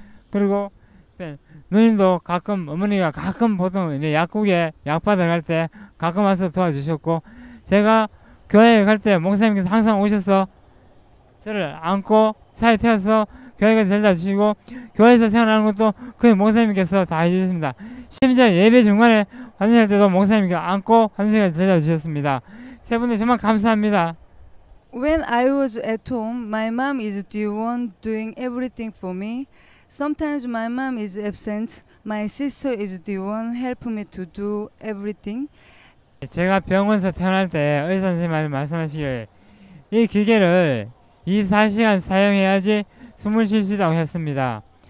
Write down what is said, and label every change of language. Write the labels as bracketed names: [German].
[Korean] 그리고 누님도 가끔 어머니가 가끔 보통 이제 약국에 약 받으러 갈 때 가끔 와서 도와주셨고 제가 교회에 갈 때 목사님께서 항상 오셔서 저를 안고 차에 태워서 교회에 데려다 주시고 교회에서 생활하는 것도 그의 목사님께서 다 해주셨습니다. 심지어 예배 중간에 환생할 때도 목사님께서 안고 환생해서 데려다 주셨습니다. 세 분들 정말 감사합니다. [English] When I was at home, my mom is the one doing everything for me. Sometimes my mom is absent. My sister is the one helping me to do everything. [Korean] 제가 병원에서 태어날 때 의사 선생님이 말씀하시길 이 기계를 24시간 사용해야지 숨을 쉴 수 있다고 했습니다.